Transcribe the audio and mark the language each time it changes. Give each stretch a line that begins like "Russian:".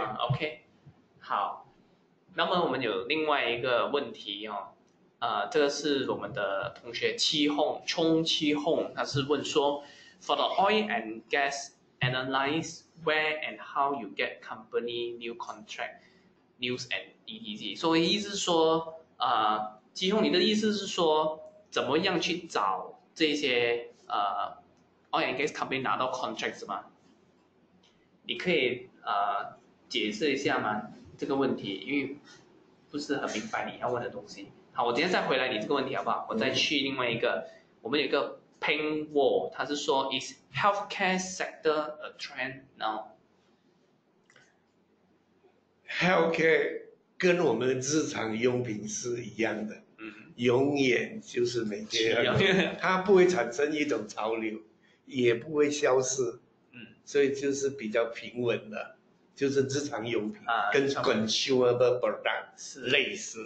Chinese: ，OK， 好，那么我们有另外一个问题哦，这个是我们的同学冲七轰，他是问说 ，
English: For the oil and gas analyze where and how you get company new contract news and etc，
Chinese: 所以意思是说，其实你的意思是说怎么样去找这些oil and gas company 拿到 contracts 吗？你可以解释一下吗这个问题，因为不是很明白你要问的东西。好，我今天再回来你这个问题好不好，我再去另外一个。我们有一个 Ping Wall， 他是说
English: Is healthcare sector a trend now？
Chinese: healthcare 跟我们日常用品是一样的，永远就是每天要用，它不会产生一种潮流，也不会消失，所以就是比较平稳的，就是日常用品跟 consumable product 类似，